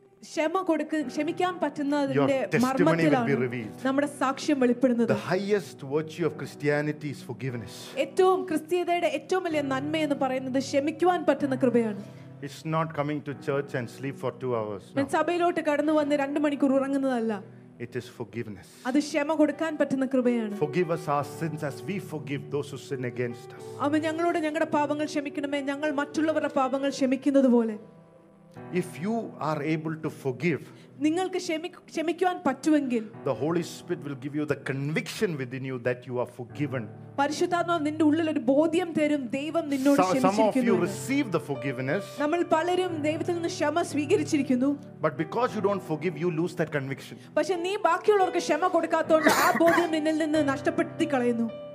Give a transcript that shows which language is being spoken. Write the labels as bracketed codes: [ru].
[ml] ക്ഷമ കൊടുക്ക ക്ഷമിക്കാൻ പറ്റുന്നതിന്റെ മർമ്മത്തിലാണ് നമ്മുടെ സാക്ഷ്യം വെളിപ്പെടുന്നത്. [en] The highest virtue of Christianity is forgiveness. [ml] ഏറ്റവും ക്രിസ്തീയതയുടെ ഏറ്റവും വലിയ നന്മ എന്ന് പറയുന്നത് ക്ഷമിക്കാൻ പറ്റുന്ന കൃപയാണ്. [en] It's not coming to church and sleep for 2 hours. [ml] നമ്മൾ സഭയിലോട്ട് കടന്നു വന്ന് 2 മണിക്കൂർ ഉറങ്ങുന്നതല്ല. [en] It is forgiveness. [ml] അത് ക്ഷമ കൊടുക്കാൻ പറ്റുന്ന കൃപയാണ്. [en] Forgive us our sins as we forgive those who sin against us. [ml] അമ്മ ഞങ്ങളോട് ഞങ്ങളുടെ പാപങ്ങൾ ക്ഷമിക്കണമേ ഞങ്ങൾ മറ്റുള്ളവരുടെ പാപങ്ങൾ ക്ഷമിക്കുന്നതുപോലെ. [en] If you are able to forgive, [ml] നിങ്ങൾക്ക് ക്ഷമിക്കുവാൻ പറ്റുമെങ്കിൽ, [en] the Holy Spirit will give you the conviction within you that you are forgiven. [ml] പരിശുദ്ധാത്മാവ് നിന്റെ ഉള്ളിൽ ഒരു ബോധ്യം തരും, ദൈവം നിന്നോട് ക്ഷമിച്ചിരിക്കുന്നു. [en] Some of you receive the forgiveness. [ml] നമ്മൾ പലരും ദൈവത്തിൽ നിന്ന് ക്ഷമ സ്വീകരിച്ചിരിക്കുന്നു. [en] But because you don't forgive, you lose that conviction. [ml] പക്ഷേ നീ ബാക്കിയുള്ളവർക്ക് ക്ഷമ കൊടുക്കാത്തതുകൊണ്ട് ആ ബോധ്യം നിന്നിൽ നിന്ന് നഷ്ടപ്പെടുത്തി കളയുന്നു.